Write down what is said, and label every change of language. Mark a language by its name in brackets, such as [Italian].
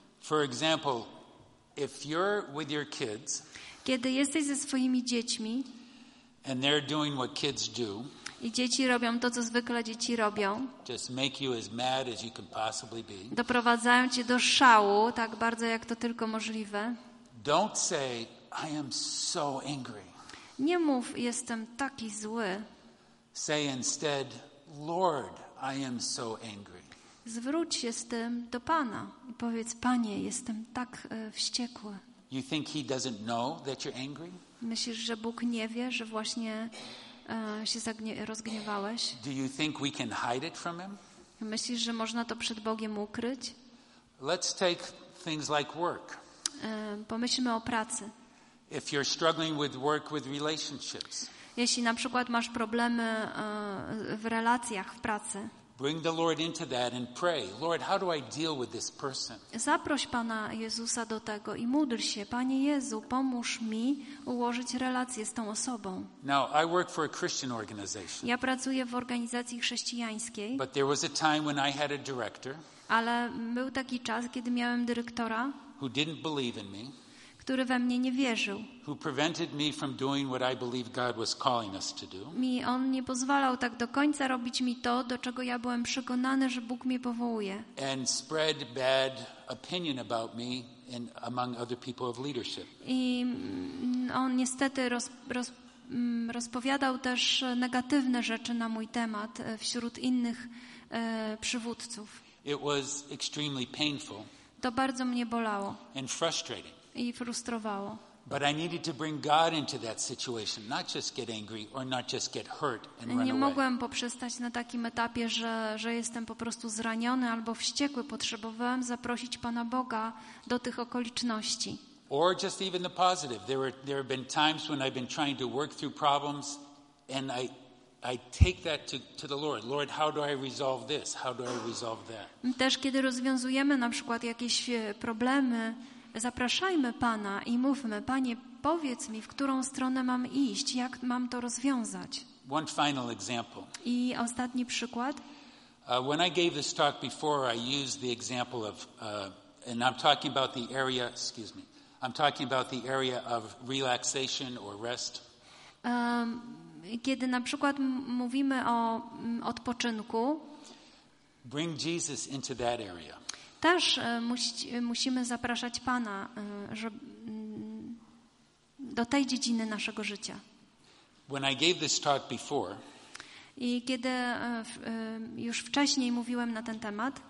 [English] For example, if you're with your kids, [Polish] kiedy jesteś ze swoimi dziećmi [English] and they're doing what kids do, [Polish] i dzieci robią to, co zwykle dzieci robią, [English] just make you as mad as you can possibly be, [Polish] doprowadzają cię do szału tak bardzo, jak to tylko możliwe, [English] don't say, I am so angry. [Polish] Nie mów, jestem taki zły. [English] Say instead, Lord, I am so angry. [Polish] Zwróć się z tym do Pana i powiedz, Panie, jestem tak wściekły. [English] You think he doesn't know that you're angry? [Polish] Myślisz, że Bóg nie wie, że właśnie się rozgniewałeś? [English] Do you think we can hide it from him? [Polish] Myślisz, że można to przed Bogiem ukryć? [English] Let's take things like work. [Polish] Pomyślmy o pracy. [English] If you're struggling with work with relationships. [Polish] Jeśli na przykład masz problemy w relacjach, w pracy. [English] Bring the Lord into that and pray. Lord, how do I deal with this person? [Polish] Zaproś Pana Jezusa do tego i módl się. Panie Jezu, pomóż mi ułożyć relacje z tą osobą. [English] Now, I work for a Christian organization. [Polish] Ja pracuję w organizacji chrześcijańskiej. [English] But there was a time when I had a director. [Polish] Ale był taki czas, kiedy miałem dyrektora, [English] who didn't believe in me, [Polish] który we mnie nie wierzył. [English] Who prevented me from doing what I believe God was calling us to do. [Polish] Mi on nie pozwalał tak do końca robić mi to, do czego ja byłem przekonany, że Bóg mnie powołuje. [English] And spread bad opinion about me and among other people of leadership. [Polish] I on niestety rozpowiadał też negatywne rzeczy na mój temat wśród innych przywódców. [English] It was extremely painful. [Polish] To bardzo mnie bolało. [English] And frustrating. [Polish] I frustrowało. [English] But I needed to bring God into that situation, not just get angry or not just get hurt and run away. [Polish] Nie mogłem poprzestać na takim etapie, że jestem po prostu zraniony albo wściekły. Potrzebowałem zaprosić Pana Boga do tych okoliczności. [English] Or just even the positive. There have been times when I've been trying to work through problems and I take that to the Lord. Lord, how do I resolve this? How do I resolve that? [Polish] Też kiedy rozwiązujemy na przykład jakieś problemy, zapraszajmy Pana i mówmy, Panie, powiedz mi, w którą stronę mam iść, jak mam to rozwiązać. [English] One final example. [Polish] I ostatni przykład. [English] When I gave this talk before, I used the example of, and I'm talking about the area, excuse me, I'm talking about the area of relaxation or rest. [Polish] Kiedy na przykład mówimy o odpoczynku, [English] bring Jesus into that area. [Polish] Też musimy zapraszać Pana do tej dziedziny naszego życia. [English] When I gave this talk before, [Polish] i kiedy już wcześniej mówiłem na ten temat,